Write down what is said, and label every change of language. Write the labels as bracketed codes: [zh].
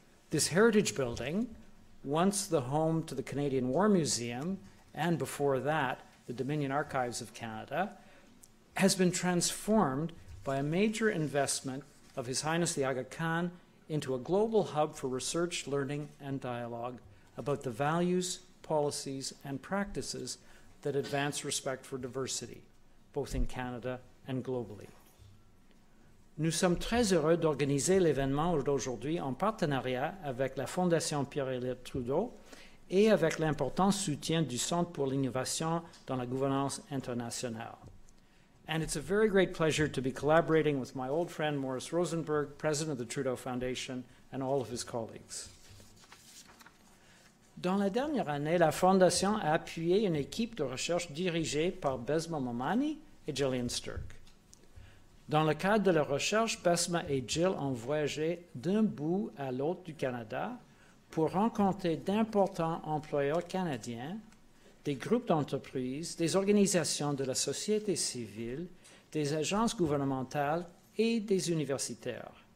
[en] This heritage building, once the home to the Canadian War Museum, and before that, the Dominion Archives of Canada, has been transformed by a major investment of His Highness the Aga Khan into a global hub for research, learning, and dialogue about the values, policies, and practices that advance respect for diversity, both in Canada and globally. [fr] Nous sommes très heureux d'organiser l'événement d'aujourd'hui en partenariat avec la Fondation Pierre-Éliott Trudeau et avec l'important soutien du Centre pour l'innovation dans la gouvernance internationale. [en] And it's a very great pleasure to be collaborating with my old friend Maurice Rosenberg, President of the Trudeau Foundation, and all of his colleagues. [fr] Dans la dernière année, la Fondation a appuyé une équipe de recherche dirigée par Bessma, Momani et Jillian Stirk. Dans le cadre de la recherche, Bessma et Jill ont voyagé d'un bout à l'autre du Canada pour rencontrer d'importants employeurs canadiens, des groupes d'entreprises, des organisations de la société civile, des agences gouvernementales et des universitaires.